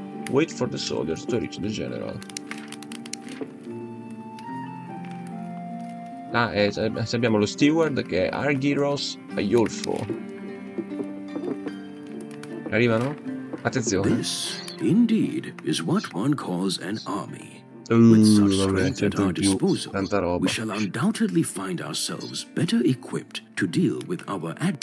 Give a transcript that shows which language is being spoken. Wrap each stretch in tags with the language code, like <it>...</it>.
<en>Wait for the soldiers to reach the general.</en> <it>Ah, se abbiamo lo steward che è Argyros Ayolfo. Arrivano? Attenzione.</it> <en>This indeed is what one calls an army.</en> <it>Tanta roba.</it> <en>We shall undoubtedly find ourselves better equipped to deal with our</en>